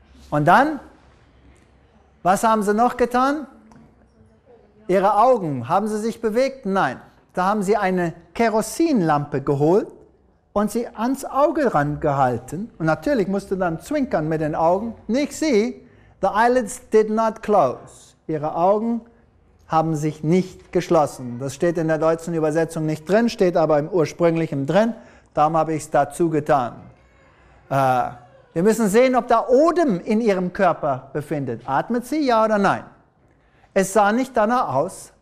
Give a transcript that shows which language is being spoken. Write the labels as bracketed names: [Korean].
[German] Und dann, was haben sie noch getan? Ihre Augen, haben sie sich bewegt? Nein. Da haben sie eine Kerosinlampe geholt und sie ans Auge rangehalten. Und natürlich musste dann zwinkern mit den Augen. Nicht sie, [English] the eyelids did not close. [German] Ihre Augen haben sich nicht geschlossen. Das steht in der deutschen Übersetzung nicht drin, steht aber im ursprünglichen drin. Darum habe ich es dazu getan. Wir müssen sehen, ob da Odem in ihrem Körper befindet. Atmet sie, ja oder nein? Es sah nicht danach aus.